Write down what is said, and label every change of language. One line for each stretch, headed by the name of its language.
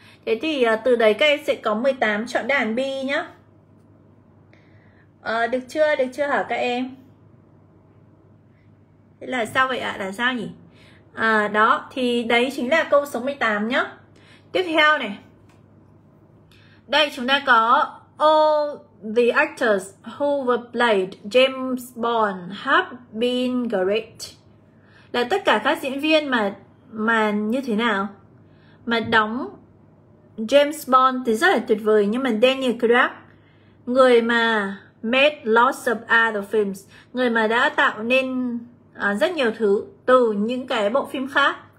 Vietnamese: Thế thì từ đấy các em sẽ có 18 chọn đáp án B nhá. Được chưa hả các em? Thế là sao vậy ạ? Là sao nhỉ? Đó, thì đấy chính là câu số 18 nhá. Tiếp theo này. Đây chúng ta có
English: all the actors who were played James Bond have been great.
Vietnamese: Là tất cả các diễn viên mà như thế nào? Mà đóng James Bond thì rất là tuyệt vời, nhưng mà Daniel Craig, người mà
English: made lots of other films,
Vietnamese: người mà đã tạo nên rất nhiều thứ từ những cái bộ phim khác.